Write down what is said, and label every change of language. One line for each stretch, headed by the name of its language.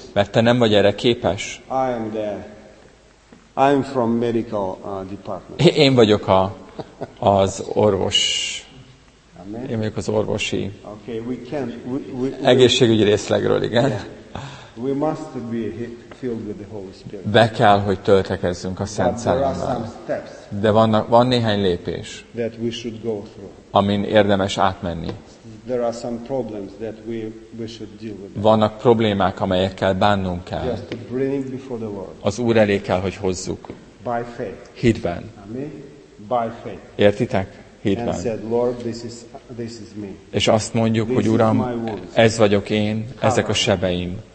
Hungarian: Mert te nem vagy erre képes.
English: I'm from medical department.
Hungarian: Én vagyok az orvos. Én vagyok az orvosi.
English: Okay, we can.
Hungarian: Egészségügyi részlegről, igen.
English: Yeah. We must be filled with the Holy Spirit.
Hungarian: Be kell, hogy töltekezzünk a Szent Szellemmel. De van néhány lépés,
English: that we should go through.
Hungarian: Amin érdemes átmenni.
English: There are some problems that we should deal with.
Hungarian: Vannak problémák, amelyekkel bánnunk kell.
English: Just bring before the Lord.
Hungarian: Az Úr elé kell, hogy hozzuk.
English: By faith.
Hungarian: Hitben.
English: Amen. By faith.
Hungarian: Értitek? hídben.
English: And said, Lord, this is me.
Hungarian: És azt mondjuk,
English: this
Hungarian: hogy Uram, ez vagyok én, ezek a sebeim.